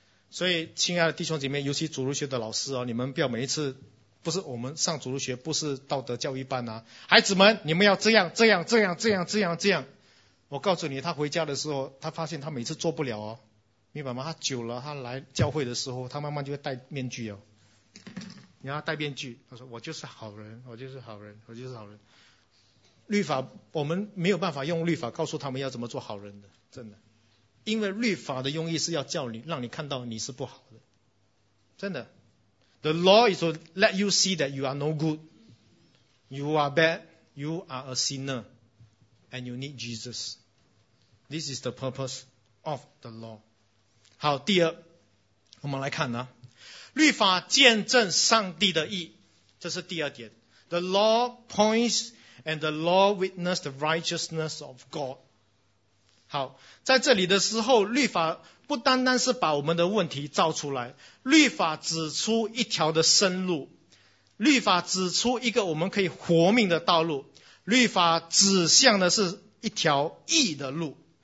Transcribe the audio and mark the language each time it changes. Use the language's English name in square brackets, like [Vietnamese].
[Chinese] 所以亲爱的弟兄姐妹，尤其主日学的老师，你们不要每一次，不是我们上主日学不是道德教育班啊，孩子们你们要这样这样这样这样这样这样，我告诉你，他回家的时候他发现他每次做不了哦，明白吗？他久了，他来教会的时候他慢慢就会戴面具哦，你要戴面具，他说我就是好人，我就是好人，我就是好人。律法我们没有办法用律法告诉他们要怎么做好人的，真的，因为律法的用意是要叫你，让你看到你是不好的，真的。 [English] The law is to let you see that you are no good. You are bad. You are a sinner. And you need Jesus. This is the purpose of the law. [Chinese] 好，第二，我们来看呢，律法见证上帝的义，这是第二点。 [English] The law points and the law witness the righteousness of God. [Chinese] 好，在这里的时候，律法不单单是把我们的问题照出来，律法指出一条的生路，律法指出一个我们可以活命的道路，律法指向的是一条义的路。